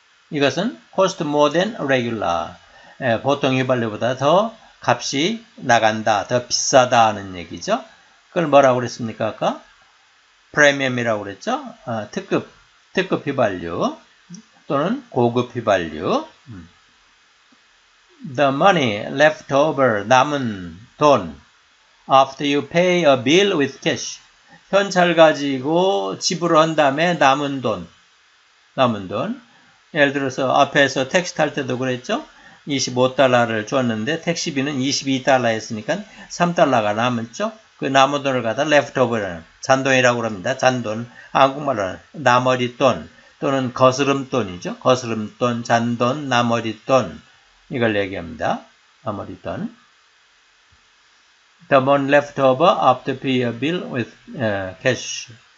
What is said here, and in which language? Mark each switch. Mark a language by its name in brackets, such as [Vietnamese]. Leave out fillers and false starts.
[English] 이것은 cost more than regular. [Korean] 보통 휘발유보다 더 값이 나간다. 더 비싸다 하는 얘기죠. 그걸 뭐라고 그랬습니까, 아까? premium이라고 그랬죠? 특급 휘발유 또는 고급 휘발유. [English] The money left over, [Korean] 남은 돈, [English] after you pay a bill with cash. [Korean] 현찰 가지고 지불을 한 다음에 남은 돈. 예를 들어서 앞에서 택시 탈 때도 그랬죠? 25달러를 줬는데 택시비는 22달러 했으니까 3달러가 남았죠? 그 남은 돈을 갖다 leftover, 잔돈이라고 합니다. 잔돈, 한국말로 나머지 돈 또는 거스름돈이죠. 거스름돈, 잔돈, 나머지 돈 이걸 얘기합니다. 나머지 돈. [English] The money left over after pay a bill with cash.